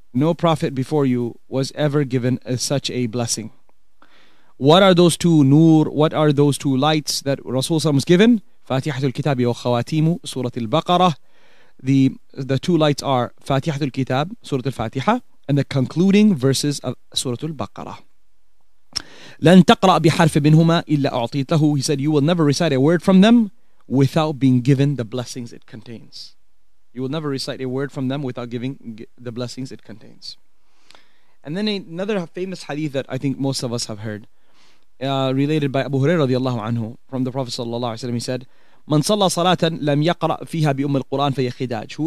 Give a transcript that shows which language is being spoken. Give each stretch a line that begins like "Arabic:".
English: No prophet before you was ever given such a blessing. What are those two nur? What are those two lights that Rasulullah was given? Fatihatul Kitab wa Khawatimu Surat al-Baqarah. The two lights are Fatihatul Kitab, Surat al-Fatiha, and the concluding verses of Surat al-Baqarah.
Arabic: لن تقرأ بحرف منهما إلا أعطيته.
English: He said, you will never recite a word from them without being given the blessings it contains. You will never recite a word from them without giving the blessings it contains. And then another famous hadith that I think most of us have heard, related by Abu Hurairah radiallahu anhu from the Prophet sallallahu alaihi wasallam, he said,
Arabic: من صلى صلاة لم يقرأ فيها بأم القرآن فهي خداج.